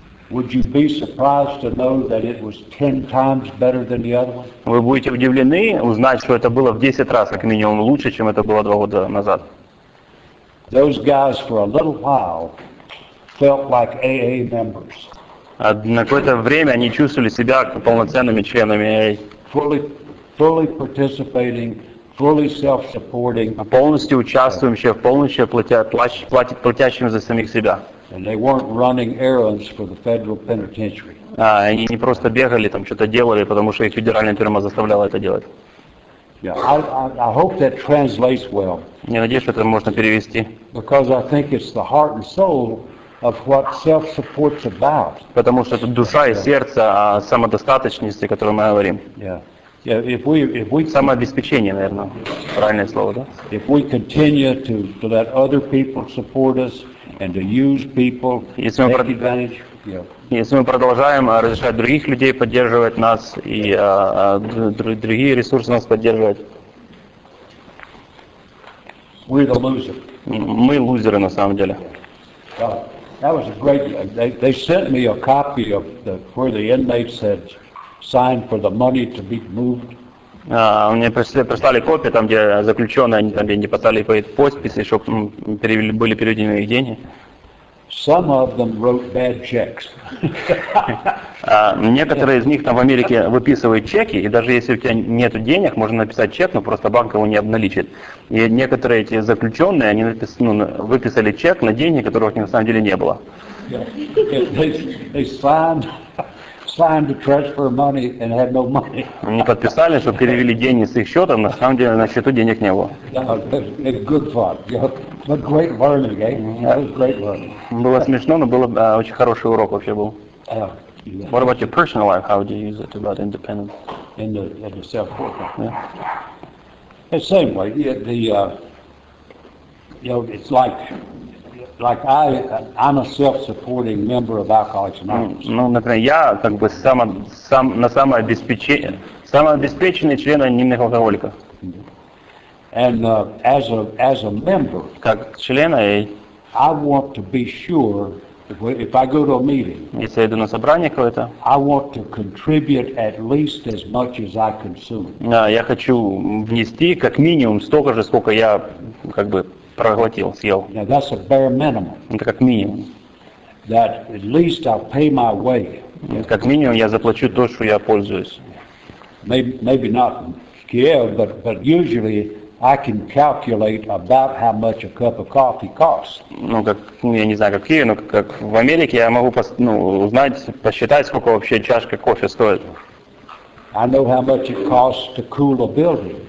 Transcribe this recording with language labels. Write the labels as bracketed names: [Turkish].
[English] Would you be surprised to know that it was 10 times better than the other one? [Russian] Вы будете удивлены узнать, что это было в 10 раз, как минимум, лучше, чем это было 2 года назад. [English] Those guys for a little while felt like AA members. [Russian] На какое-то время они чувствовали себя полноценными членами AA. [English] Fully participating, fully self-supporting. [Russian] Полностью участвующие, полностью платящими за самих себя. [English] And they weren't running errands for the federal penitentiary. [Russian] Они не просто бегали там что-то делали, потому что их федеральная тюрьма заставляла это делать. [English] Yeah, I hope that translates well. [Russian] Я надеюсь, что это можно перевести. [English] Because I think it's the heart and soul of what self-support's about. [Russian] Потому что это душа и сердце самодостаточности, о котором мы говорим. [English] Yeah. If we [Russian] самообеспечение, наверное, правильное слово, да? [English] If we continue to let other people support us and to use people to take advantage. [Russian] Если мы продолжаем разрешать других людей поддерживать нас и другие ресурсы нас поддерживать. [English] We're the loser. [Russian] Мы лузеры на самом деле. [English] That was a great. They sent me a copy of where the inmates had signed for the money to be moved. [Russian] Мне прислали копии там, где заключенные, они там где-нибудь поставили по их подписи, чтобы были переведены их деньги. [English] Some of them wrote bad checks. [Russian] Некоторые из них там в Америке выписывают чеки, и даже если у тебя нет денег, можно написать чек, но просто банк его не обналичит. И некоторые эти заключенные, они выписали чек на деньги, которых на самом деле не было. [English] They signed to transfer money and had no money. [Russian] Они подписали, что перевели деньги с их счета, на самом деле на счету денег не было. [English] Good fun. But great learning, eh? That was great learning. [Russian] Было смешно, но было очень хороший урок вообще был. [English] What about your personal life? How do you use it about independence? In the self-work. Yeah. The same way. It's like I'm a self-supporting member of Alcoholics Anonymous. [Russian] Ну, например, я как бы самообеспеченный член анонимных алкоголиков. [English] And as a member, [Russian] как члена, [English] I want to be sure if I go to a meeting, [Russian] если я иду на собрание какое-то, [English] I want to contribute at least as much as I consume. [Russian] Я хочу внести как минимум столько же, сколько я как бы проглотил, съел. [English] Now that's a bare minimum. [Russian] Это как минимум. [English] That at least I'll pay my way. [Russian] Как минимум я заплачу то, что я пользуюсь. [English] Maybe not Kiev, but usually I can calculate about how much a cup of coffee costs. [Russian] Ну как, я не знаю, как Киев, но как в Америке я могу посчитать, сколько вообще чашка кофе стоит. [English] I know how much it costs to cool a building.